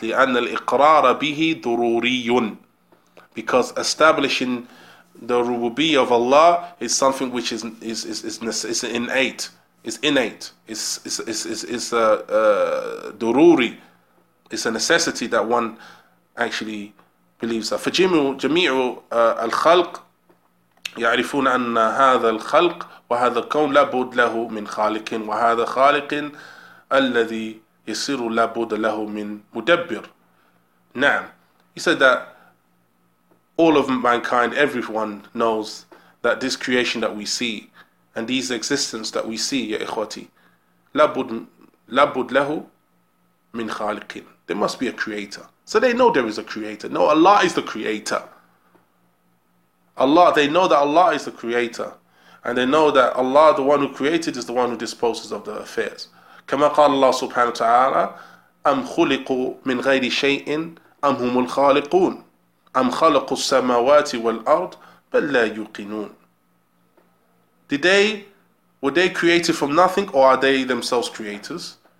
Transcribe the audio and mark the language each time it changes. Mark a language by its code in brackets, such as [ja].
[ar] لِأَنَّ الْإِقْرَارَ بِهِ ضُرُورِيٌ, [en] because establishing the rububiyyah of Allah is something which is innate, it's a dururi, it's a necessity that one actually believes. [ar] فجميع الخلق يعرفون أن هذا الخلق وهذا الكون لابد له من خالق وهذا خالق الذي يصير لابد له من مدبر. نعم. [en] He said that all of mankind, everyone knows that this creation that we see and these existence that we see, [ar] ya ikhwati, labud lahu min khaliqin. [en] There must be a creator. So they know there is a creator. No, Allah is the creator. Allah, they know that Allah is the creator. And they know that Allah, the one who created, is the one who disposes of the affairs. [ar] كما قال الله سبحانه وتعالى أم خلقوا من غير شيء أم هم الخالقون أم خلقوا السماوات والأرض بل لا يوقنون. [en] Did they, were they created from nothing or are they themselves creators?